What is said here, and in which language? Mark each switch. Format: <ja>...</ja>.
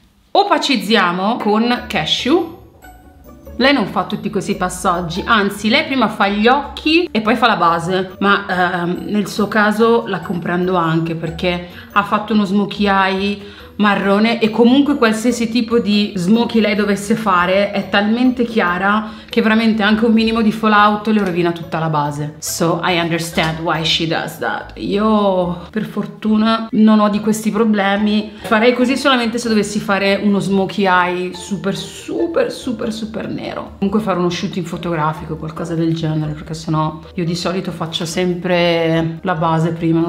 <it>Opacizziamo con cashew. Lei non fa tutti questi passaggi, anzi, lei prima fa gli occhi e poi fa la base. Ma nel suo caso la comprendo anche, perché ha fatto uno smokey eye marrone e comunque qualsiasi tipo di smoky lei dovesse fare è talmente chiara che veramente anche un minimo di fallout le rovina tutta la base.</it> <en>So I understand why she does that.</en> <it>Io per fortuna non ho di questi problemi. Farei così solamente se dovessi fare uno smoky eye super super super super nero. Comunque fare uno shooting fotografico o qualcosa del genere, perché sennò io di solito faccio sempre la base prima.</it>